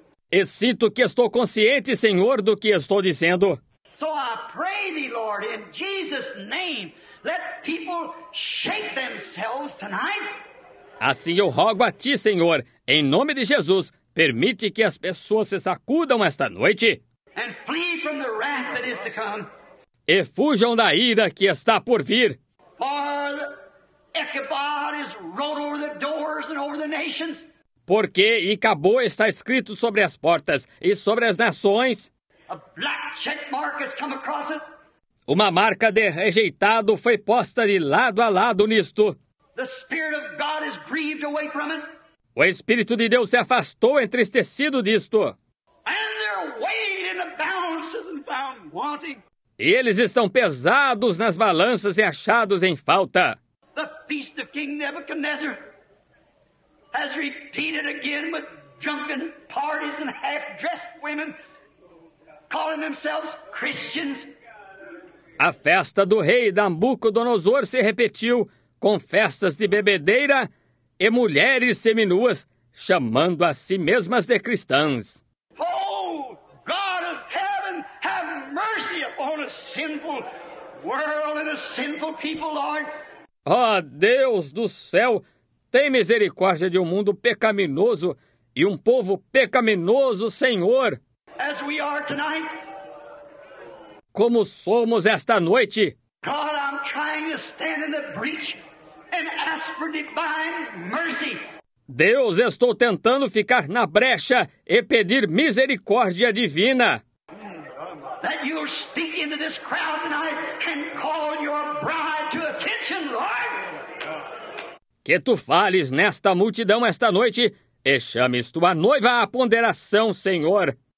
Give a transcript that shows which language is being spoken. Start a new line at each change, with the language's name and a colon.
Portuguese: E sinto que estou consciente, Senhor, do que estou dizendo.
English: So I pray thee, Lord, in Jesus' name, let people shake themselves tonight.
Portuguese: Assim eu rogo a ti, Senhor, em nome de Jesus, permite que as pessoas se sacudam esta noite.
English: And flee from the wrath that is to come.
Portuguese: E fujam da ira que está por vir.
English: For the Ichabod is wrote over the doors and over the nations.
Portuguese: Porque Ichabod está escrito sobre as portas e sobre as nações.
English: A black check mark has come across it.
Portuguese: Uma marca de rejeitado foi posta de lado a lado nisto.
English: The Spirit of God is grieved away from it.
Portuguese: O Espírito de Deus se afastou entristecido disto.
English: And they're weighed in the balances and found wanting.
Portuguese: E eles estão pesados nas balanças e achados em falta.
English: The feast of King Nebuchadnezzar has repeated again with drunken parties and half-dressed women. Calling themselves Christians.
Portuguese: A festa do rei Nabucodonosor se repetiu com festas de bebedeira e mulheres seminuas chamando a si mesmas de cristãs.
English: Oh, God of heaven, have mercy upon a sinful world and a sinful people, Lord.
Portuguese: Oh, Deus do céu, tem misericórdia de um mundo pecaminoso e um povo pecaminoso, Senhor.
English: As we are tonight.
Portuguese: Como somos esta noite.
English: God, I'm trying to stand in the breach and ask for divine mercy.
Portuguese: Deus, estou tentando ficar na brecha e pedir misericórdia divina.
English: That you speak into this crowd tonight and call your bride to attention, Lord.
Portuguese: Que tu fales nesta multidão esta noite e chames tua noiva à ponderação, Senhor.